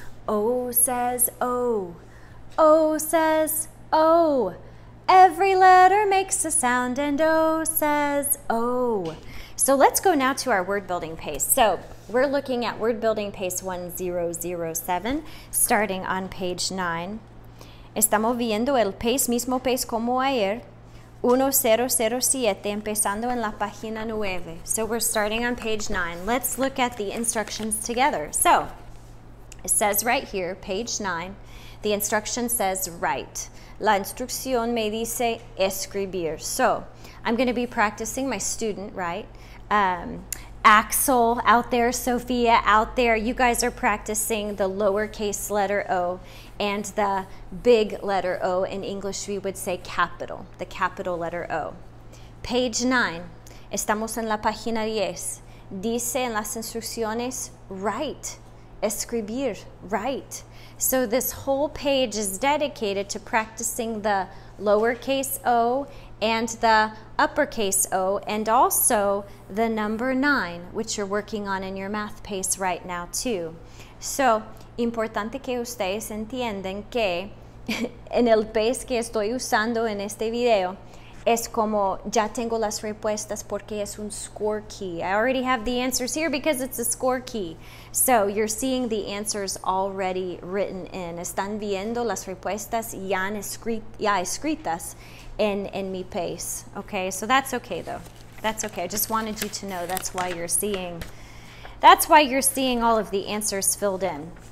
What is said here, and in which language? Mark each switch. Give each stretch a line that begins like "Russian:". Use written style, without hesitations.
English: O says O, O says O. Every letter makes a sound, and O says O. So let's go now to our word building pace. So we're looking at word building pace 1007, starting on page 9.
Spanish: Estamos viendo el pace, mismo pace como ayer, 1007, empezando en la página 9.
English: So we're starting on page 9. Let's look at the instructions together. So it says right here, page 9, the instruction says write.
Spanish: La instrucción me dice escribir.
English: So I'm going to be practicing my student, right? Axel out there, Sophia out there, you guys are practicing the lowercase letter O and the big letter O. In English, we would say capital, the capital letter O. Page 9.
Spanish: Estamos en la página 10. Dice en las instrucciones, write, escribir, write.
English: So this whole page is dedicated to practicing the lowercase O and the uppercase O, and also the number 9, which you're working on in your math pace right now, too.
Spanish: So, importante que ustedes entiendan que en el pace que estoy usando en este video, es como ya tengo las respuestas porque es un score key.
English: I already have the answers here because it's a score key. So, you're seeing the answers already written in.
Spanish: Están viendo las respuestas ya escritas.
English: In me pace. Okay, so that's okay though. That's okay. I just wanted you to know that's why you're seeing all of the answers filled in.